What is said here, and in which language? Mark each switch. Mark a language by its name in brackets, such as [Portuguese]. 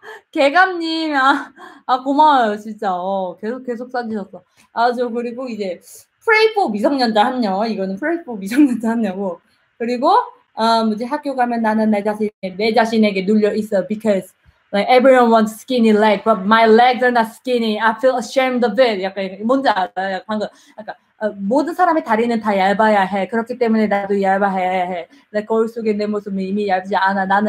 [Korean] 개감님. 고마워요 진짜. 계속 써주셨어. 그리고 이제 [English] Pray for [Korean] 미성년자 한녀. 이거는 Pray for 미성년자 한녀고. 그리고 이제 학교 가면 나는 내 자신에게 눌려 있어. [English] Because like everyone wants skinny leg, but my legs are not skinny. I feel ashamed of it. [Korean] 약간 뭔지 알아요? 방금 약간 모든 사람의 다리는 다 얇아야 해. 그렇기 때문에 나도 얇아야 해. 내 거울 속에 내 모습은 이미 얇지 않아.